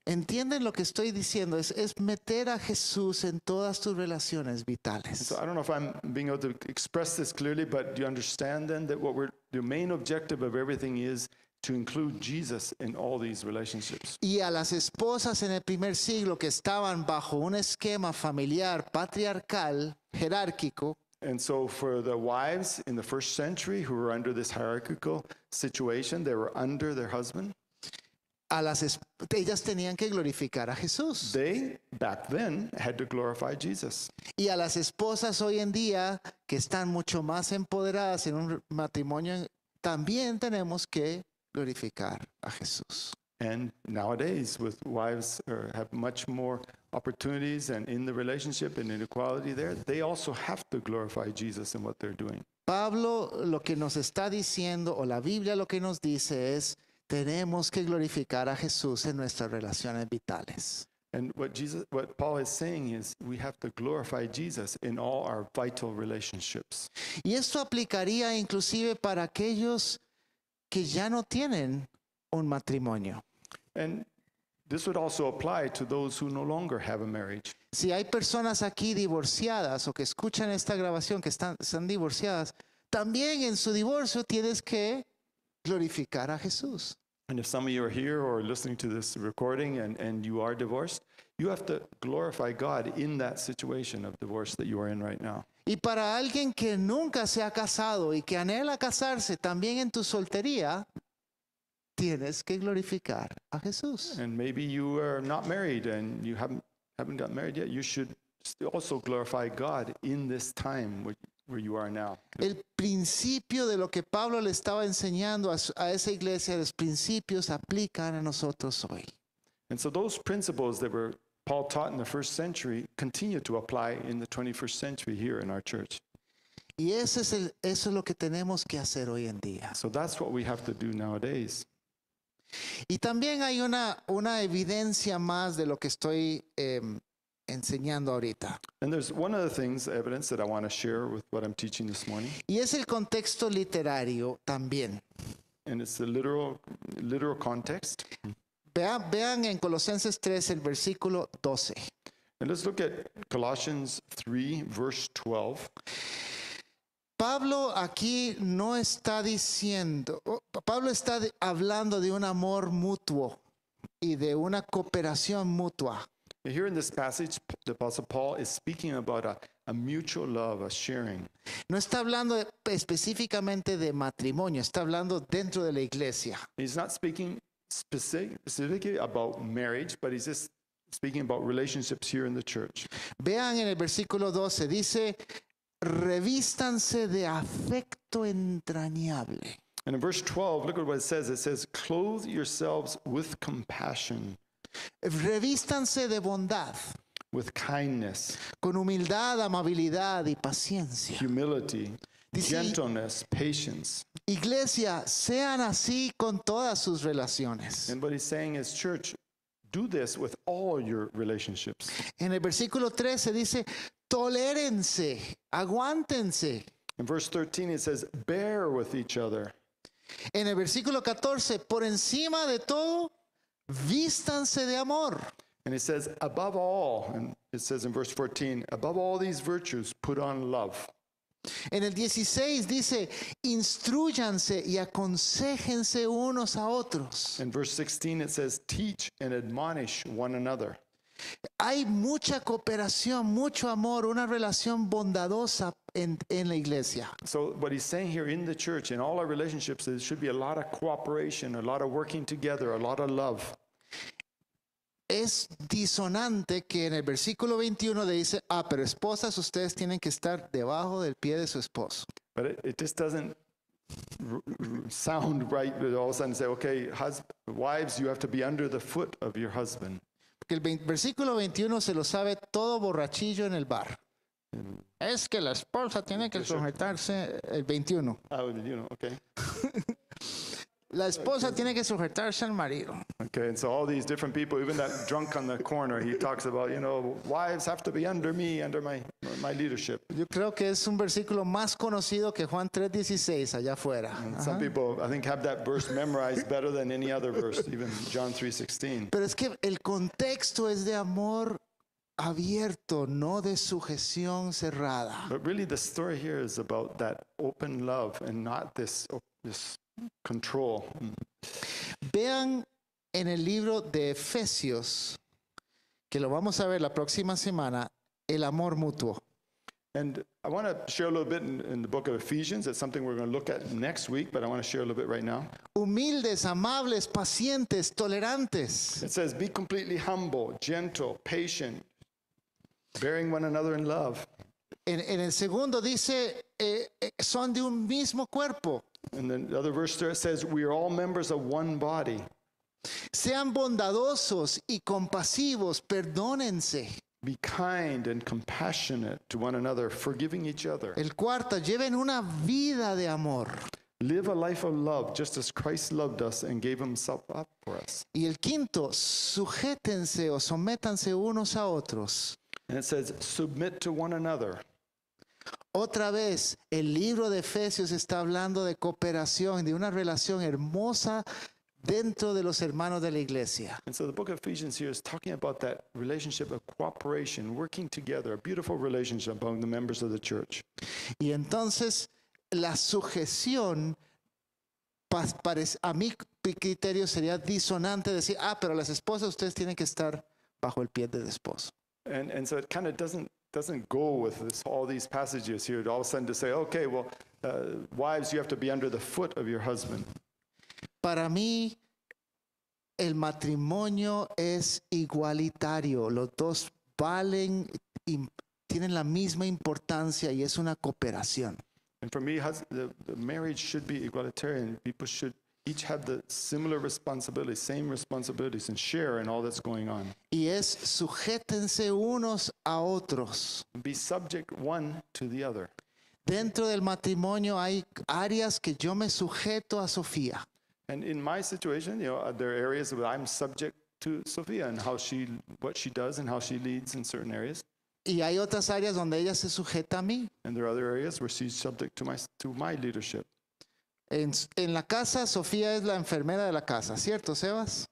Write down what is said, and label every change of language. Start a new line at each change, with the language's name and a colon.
Spanish: ¿Entienden lo que estoy diciendo? Es meter a Jesús en todas tus relaciones vitales.
English: So I don't know if I'm being able to express this clearly, but do you understand then that the main objective of everything is to include Jesus in all these relationships.
Spanish: Y a las esposas en el primer siglo que estaban bajo un esquema familiar patriarcal, jerárquico.
English: And so for the wives in the first century who were under this hierarchical situation, they were under their husband.
Spanish: Ellas tenían que glorificar a Jesús.
English: They, back then, had to glorify Jesus.
Spanish: Y a las esposas hoy en día que están mucho más empoderadas en un matrimonio, también tenemos que glorificar a Jesús.
English: And nowadays, with wives have much more opportunities and in the relationship and inequality there, they also have to glorify Jesus in what they're doing.
Spanish: Pablo, lo que nos está diciendo, o la Biblia lo que nos dice es, tenemos que glorificar a Jesús en nuestras relaciones vitales.
English: And what Paul is saying is, we have to glorify Jesus in all our vital relationships.
Spanish: Y esto aplicaría inclusive para aquellos que ya no tienen un matrimonio.
English: And this would also apply to those who no longer have a marriage.
Spanish: Si hay personas aquí divorciadas o que escuchan esta grabación que están divorciadas, también en su divorcio tienes que glorificar a Jesús.
English: And if some of you are here or listening to this recording and you are divorced, you have to glorify God in that situation of divorce that you are in right now.
Spanish: Y para alguien que nunca se ha casado y que anhela casarse, también en tu soltería, tienes que glorificar a Jesús.
English: And maybe you are not married and you haven't gotten married yet. You should also glorify God in this time where you are now.
Spanish: El principio de lo que Pablo le estaba enseñando a esa iglesia, los principios aplican a nosotros hoy.
English: And so those principles that were Paul taught in the first century continue to apply in the 21st century here in our church.
Spanish: Y eso es lo que tenemos que hacer hoy en día.
English: So that's what we have to do nowadays.
Spanish: Y también hay una evidencia más de lo que estoy enseñando ahorita.
English: And there's one other things, evidence that I want to share with what I'm teaching this morning.
Spanish: Y es el contexto literario también.
English: And it's the literal context.
Spanish: Vean en Colosenses 3, el versículo 12.
English: And let's look at Colossians 3, verse 12.
Spanish: Pablo aquí no está diciendo, Pablo está hablando de un amor mutuo y de una cooperación mutua.
English: Here in this passage, the Apostle Paul is speaking about a mutual love, a sharing.
Spanish: No está hablando específicamente de matrimonio, está hablando dentro de la iglesia.
English: He's not speaking specifically about marriage, but he's just speaking about relationships here in the church.
Spanish: Vean en el versículo 12, dice, revístanse de afecto entrañable.
English: And in verse 12, look at what it says. It says, clothe yourselves with compassion.
Spanish: Revístanse de bondad.
English: With kindness.
Spanish: Con humildad, amabilidad y paciencia.
English: Humility. Gentleness, patience.
Spanish: Iglesia, sean así con todas sus relaciones.
English: And what he's saying is, church, do this with all your relationships.
Spanish: En el versículo 13 dice, tolérense, aguántense.
English: In verse 13 it says, bear with each other.
Spanish: En el versículo 14, por encima de todo, vístanse de amor.
English: And it says, above all, and it says in verse 14, above all these virtues, put on love.
Spanish: En el 16 dice, instruyanse y aconsejense unos a otros.
English: In verse 16 it says, teach and admonish one another.
Spanish: Hay mucha cooperación, mucho amor, una relación bondadosa en la iglesia.
English: So what he's saying here in the church, in all our relationships, there should be a lot of cooperation, a lot of working together, a lot of love.
Spanish: Es disonante que en el versículo 21 le dice, pero esposas, ustedes tienen que estar debajo del pie de su esposo.
English: But it just doesn't sound right all of a sudden say, okay, wives, you have to be under the foot of your husband.
Spanish: Porque el versículo 21 se lo sabe todo borrachillo en el bar. Es que la esposa tiene que sujetarse el 21. Ah, el 21, okay. La esposa tiene que sujetarse al marido.
English: Okay, and so all these different people, even that drunk on the corner, he talks about, you know, wives have to be under me, under my leadership.
Spanish: Yo creo que es un versículo más conocido que Juan 3:16 allá afuera.
English: Some people, I think, have that verse memorized better than any other verse, even John 3:16.
Spanish: Pero es que el contexto es de amor abierto, no de sujeción cerrada.
English: But really the story here is about that open love and not this control.
Spanish: Vean en el libro de Efesios, que lo vamos a ver la próxima semana, el amor mutuo.
English: And I want to share a little bit in the book of Ephesians. It's something we're going to look at next week, but I want to share a little bit right now.
Spanish: Humildes, amables, pacientes, tolerantes.
English: It says, be completely humble, gentle, patient, bearing one another in love.
Spanish: En el segundo dice, son de un mismo cuerpo.
English: And then the other verse there says, we are all members of one body.
Spanish: Sean bondadosos y compasivos, perdónense.
English: Be kind and compassionate to one another, forgiving each other.
Spanish: El cuarto, lleven una vida de amor.
English: Live a life of love, just as Christ loved us and gave himself up for us.
Spanish: Y el quinto, sujétense o sométanse unos a otros.
English: And it says, submit to one another.
Spanish: Otra vez, el libro de Efesios está hablando de cooperación, de una relación hermosa dentro de los hermanos de la iglesia.
English: And so the book of Ephesians here is talking about that relationship of cooperation, working together, a beautiful relationship among the members of the church.
Spanish: Y entonces, la sujeción, a mi criterio sería disonante decir, pero las esposas ustedes tienen que estar bajo el pie del esposo.
English: And so it kind of doesn't go with all these passages here all of a sudden to say, okay, well, wives, you have to be under the foot of your husband.
Spanish: Para mí, el matrimonio es igualitario. Los dos valen, tienen la misma importancia y es una cooperación.
English: And for me, the marriage should be egalitarian. People should each have the similar responsibilities, same responsibilities, and share in all that's going on.
Spanish: Y es sujétense unos a otros.
English: Be subject one to the other.
Spanish: Dentro del matrimonio hay áreas que yo me sujeto a Sofía.
English: And in my situation, you know, there are areas where I'm subject to Sofía and how she, what she does and how she leads in certain areas.
Spanish: Y hay otras áreas donde ella se sujeta a mí.
English: And there are other areas where she's subject to my leadership.
Spanish: En la casa, Sofía es la enfermera de la casa, ¿cierto, Sebas?